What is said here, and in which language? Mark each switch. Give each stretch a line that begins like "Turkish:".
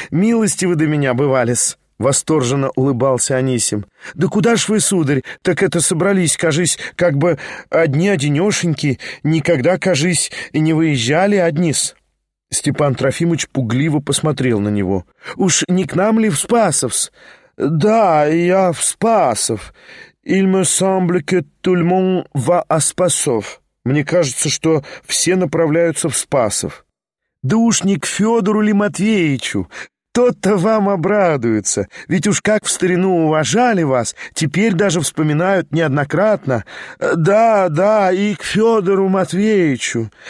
Russian: Милости вы до меня бывали-с», — восторженно улыбался Анисим. «Да куда ж вы, сударь, так это собрались, кажись, как бы одни-одинешеньки, никогда, кажись, не выезжали одни-с?» Степан Трофимович пугливо посмотрел на него. «Уж не к нам ли в Спасов-с?» «Да, я в Спасов.
French: Il me semble que tout le monde va à Spasov».
Russian: «Мне кажется, что все направляются в Спасов». «Да уж не к Федору ли Матвеевичу? Тот-то вам обрадуется. Ведь уж как в старину уважали вас, теперь даже вспоминают неоднократно. Да, да, и к Федору Матвеевичу.